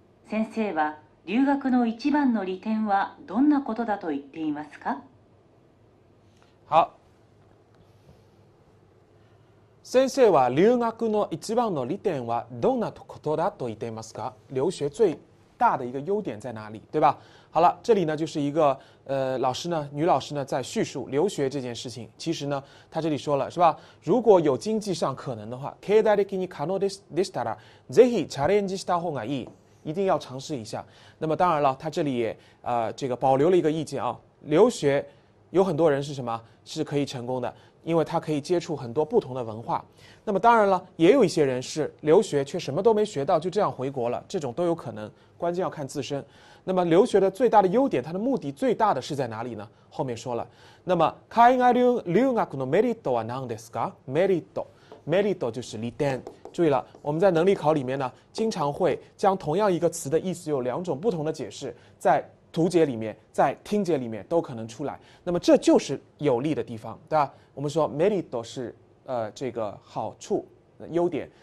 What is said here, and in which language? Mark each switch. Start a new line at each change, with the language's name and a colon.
Japanese: 先生は留学の一番の利点はどんなことだと言っていますか？
Chinese: 好。
Japanese: 先生は留学の一番の利点はどんなことだと言っていますか？
Chinese: 留学最大的一个优点在哪里？对吧？好了，这里呢就是一个老师呢，女老师呢在叙述留学这件事情。其实呢，她这里说了是吧？如果有经济上可能的话，
Japanese: 経済的に可能でしたら、ぜひチャレンジした方がいい。
Chinese: 一定要尝试一下。那么当然了，他这里也这个保留了一个意见啊。留学有很多人是什么是可以成功的，因为他可以接触很多不同的文化。那么当然了，也有一些人是留学却什么都没学到，就这样回国了，这种都有可能，关键要看自身。那么留学的最大的优点，它的目的最大的是在哪里呢？后面说了。
Japanese: 那么海外留学のメリットは何ですか？
Chinese: メリット、メリット就是利点。注意了，我们在能力考里面呢，经常会将同样一个词的意思有两种不同的解释，在读解里面，在听解里面都可能出来。那么这就是有利的地方，对吧？我们说 merit 是这个好处、优点。